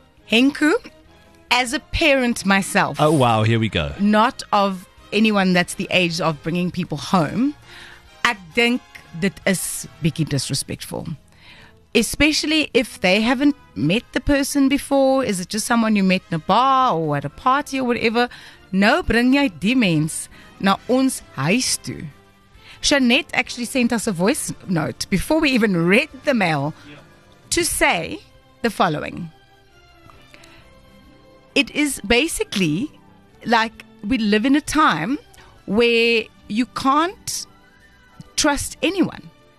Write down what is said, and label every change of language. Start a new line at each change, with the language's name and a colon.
English: Henku, as a parent myself. Oh, wow. Here we go. Not of anyone that's the age of bringing people home. I think that is being disrespectful. Especially if they haven't met the person before. Is it just someone you met in a bar or at a party or whatever?
Afrikaans: No, bring jy die mens na ons huis toe.
English: Jeanette actually sent us a voice note before we even read the mail to say the following. It is basically like we live in a time where you can't trust anyone.